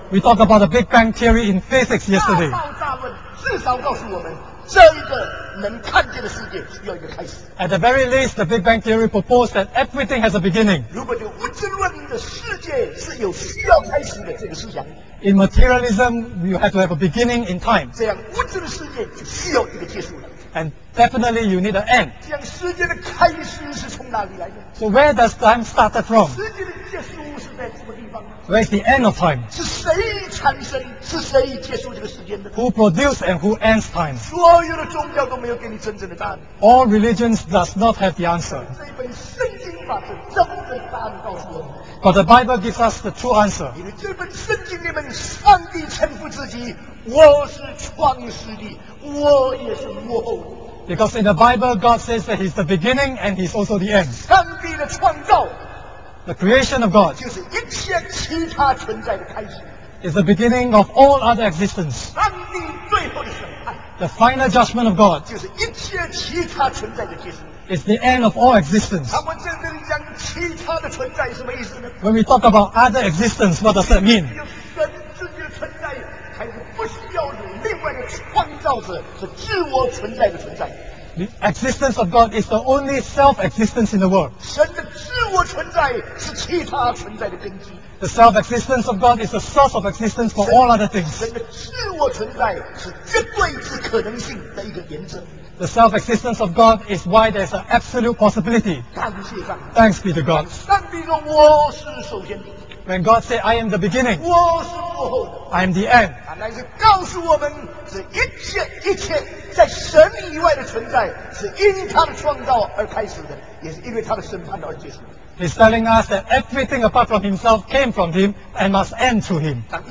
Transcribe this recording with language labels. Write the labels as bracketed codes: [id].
[en] ，We talk about the Big Bang Theory in physics yesterday. [zh] 大爆炸论至少告诉我们，这一个能看见的世界需要一个开始。 [en] At the very least, the Big Bang Theory proposed that everything has a beginning. [zh] 如果这物质论的世界是有需要开始的这个思想 [en] ，In materialism, you have to have a beginning in time. [zh] 这样物质的世界就需要一个结束了。 [en] And definitely you need an end. [zh] 这样时间的开始是从哪里来的？ [en] So where does time started from? [zh] 时间的结束是在什么地方？ [en] Where's the end of time? [zh] 是谁产生？是谁结束这个时间的？ [en] Who produced and who ends time? [zh] 所有的宗教都没有给你真正的答案。 [en] All religions does not have the answer. [zh] 这一本圣经把这真正的答案告诉我们。 [en] But the Bible gives us the true answer. [zh] 因为这本圣经里面上帝称呼自己，我是创始的，我也是末后的。 [en] Because in the Bible, God says that He's the beginning and He's also the end. [zh] 上帝的创造 [en] ，the creation of God， [zh] 就是一切其他存在的开始。 [en] Is the beginning of all other existence. [zh] 上帝最后的审判 [en] ，the final judgment of God， [zh] 就是一切其他存在的结束。 [en] It's the end of all existence. [zh] 他们在这里讲其他的存在什么意思呢 [en] ？When we talk about other existence, what does that mean？ [zh] 神自己的存在。不需要另外的创造者是自我存在的存在。 [en] The existence of God is the only self-existence in the world. [zh] 神的自我存在是其他存在的根基。 [en] The self-existence of God is the source of existence for all other things. [zh] 神的自我存在是绝对之可能性的一个原则。 [en] The self-existence of God is why there is an absolute possibility. [zh] 感谢上帝。 [en] Thanks be to God. [zh] 上帝说我是首先的。 [en] When God said, I am the beginning, [zh] 我是幕后的, [en] I am the end. [zh] 他乃是告诉我们, 这一切, 一切在神以外的存在, 是因他的创造而开始的, 也是因为他的审判而结束。 [en] He's telling us that everything apart from himself came from him and must end to him.